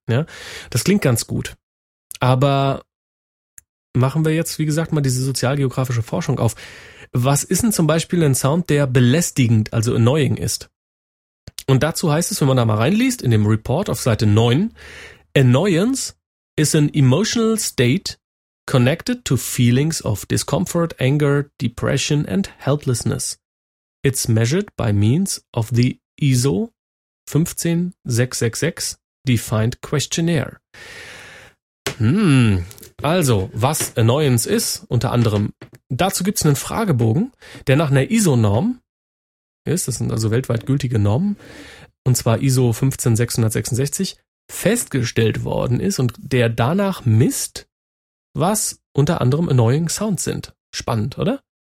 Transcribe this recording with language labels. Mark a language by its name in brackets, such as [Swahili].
[German] Ja, das klingt ganz gut. Aber machen wir jetzt, wie gesagt, mal diese sozialgeografische Forschung auf. Was ist denn zum Beispiel ein Sound, der belästigend, also annoying ist? Und dazu heißt es, wenn man da mal reinliest, in dem Report auf Seite 9, [English] Annoyance is an emotional state connected to feelings of discomfort, anger, depression and helplessness. It's measured by means of the ISO 15666 Defined Questionnaire. [German] Also, was Annoyance ist, unter anderem, dazu gibt's einen Fragebogen, der nach einer ISO-Norm ist, das sind also weltweit gültige Normen, und zwar ISO 15666, festgestellt worden ist und der danach misst, was unter anderem Annoying Sounds sind. Spannend, oder?